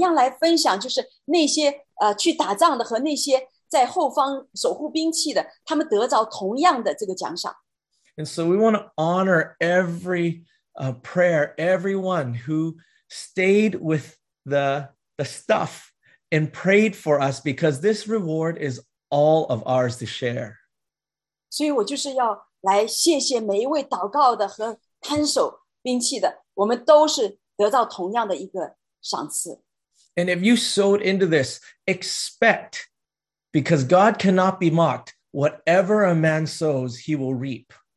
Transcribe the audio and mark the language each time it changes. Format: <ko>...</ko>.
<zh>所以我也在想就是怎么样来分享就是那些 去打仗的和那些在后方守护兵器的他们得着同样的这个奖赏。</zh> <en>And so we want to honor every prayer, everyone who stayed with the stuff and prayed for us, because this reward is all of ours to share.</en> <zh>所以我就是要来谢谢每一位祷告的和看守兵器的，我们都是得到同样的一个赏赐。</zh> <en>And if you sowed into this, expect, because God cannot be mocked, whatever a man sows, he will reap.</en>